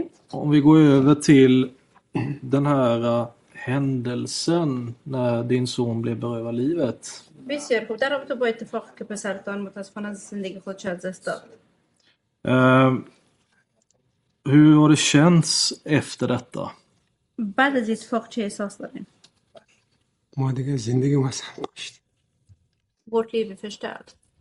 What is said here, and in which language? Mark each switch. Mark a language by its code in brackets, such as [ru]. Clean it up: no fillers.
[sv] Om vi går över till den här händelsen när din son blev berövad livet. [fa] بسیار خوب در رابطه با اتفاق که پسرتان متاسفانه از زندگی خودش از دست داد. [sv] Hur har det känts efter detta? [fa] بعد از اتفاق چه احساس داریم؟ ما دیگه زندگی ما سخت شد. [sv] Vårt liv är förstört.